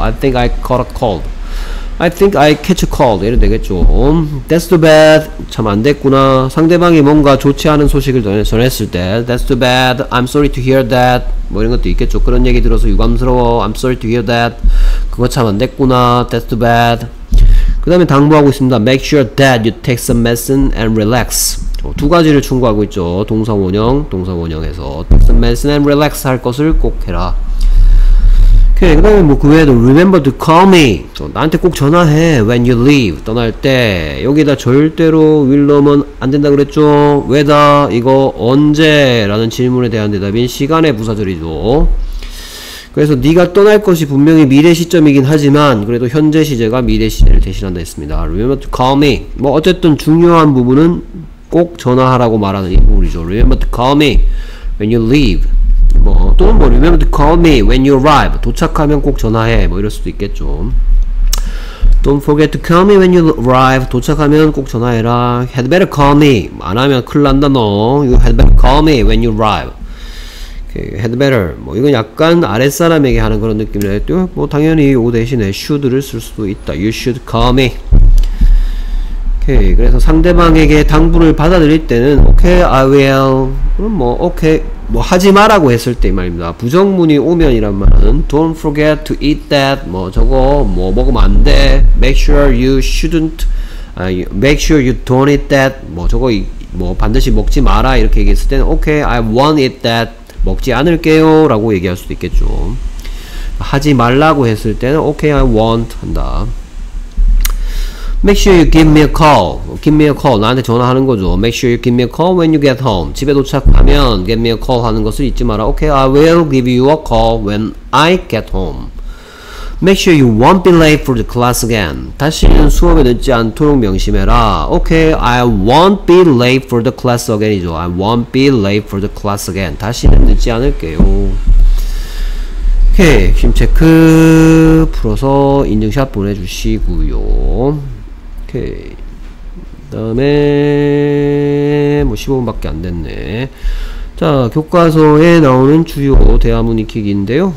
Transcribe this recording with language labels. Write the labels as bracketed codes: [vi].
[en] I think I caught a cold. I think I catch a cold. [ko] 이래 되겠죠. [en] That's too bad. [ko] 참 안 됐구나. 상대방이 뭔가 좋지 않은 소식을 전했을 때 [en] That's too bad. I'm sorry to hear that. [ko] 뭐 이런 것도 있겠죠. 그런 얘기 들어서 유감스러워. [en] I'm sorry to hear that. [ko] 그거 참 안 됐구나. [en] That's too bad. [ko] 그 다음에 당부하고 있습니다. [en] Make sure that you take some medicine and relax. [ko] 두 가지를 충고하고 있죠. 동사원형, 동사원형에서 [en] Take some medicine and relax [ko] 할 것을 꼭 해라. 오케이, 그 다음에 뭐 그 외에도 [en] Remember to call me. [ko] 나한테 꼭 전화해. [en] When you leave. [ko] 떠날 때. 여기다 절대로 will 넣으면 안 된다 그랬죠. 왜다? 이거 언제? 라는 질문에 대한 대답인 시간의 부사절이죠. 그래서 네가 떠날 것이 분명히 미래 시점이긴 하지만 그래도 현재 시제가 미래 시제를 대신한다 했습니다. [en] Remember to call me. [ko] 뭐 어쨌든 중요한 부분은 꼭 전화하라고 말하는 이 부분이죠. [en] Remember to call me when you leave. [ko] 뭐 또는 뭐 [en] Remember to call me when you arrive. [ko] 도착하면 꼭 전화해. 뭐 이럴 수도 있겠죠. [en] Don't forget to call me when you arrive. [ko] 도착하면 꼭 전화해라. [en] Had better call me. [ko] 안 하면 큰일 난다 너. [en] You had better call me when you arrive. had better. [ko] 뭐 이건 약간 아랫사람에게 하는 그런 느낌이라 했죠. 뭐 당연히 요 대신에 should를 쓸 수도 있다. [en] You should call me. [ko] 오케이. 그래서 상대방에게 당부를 받아들일 때는 오케이, I will. 그럼 뭐 오케이. 뭐 하지 마라고 했을 때 말입니다. 부정문이 오면 이란 말은 [en] don't forget to eat that. [ko] 뭐 저거 뭐 먹으면 안 돼. [en] Make sure you shouldn't. Make sure you don't eat that. [ko] 뭐 저거 뭐 반드시 먹지 마라 이렇게 얘기했을 때는 오케이, [en] I won't eat that. [ko] 먹지 않을게요 라고 얘기할 수도 있겠죠. 하지 말라고 했을 때는 오케이, [en] I won't 한다. Make sure you give me a call. Give me a call. [ko] 나한테 전화하는 거죠. [en] Make sure you give me a call when you get home. [ko] 집에 도착하면 [en] give me a call [ko] 하는 것을 잊지 마라. [en] Okay, I will give you a call when I get home. Make sure you won't be late for the class again. [ko] 다시는 수업에 늦지 않도록 명심해라. [en] Okay, I won't be late for the class again이죠. I won't be late for the class again. [ko] 다시는 늦지 않을게요. 오케이, 핵심 체크 풀어서 인증샷 보내주시고요. 오케이, 그다음에 뭐 15분밖에 안 됐네. 자, 교과서에 나오는 주요 대화문 익히기인데요.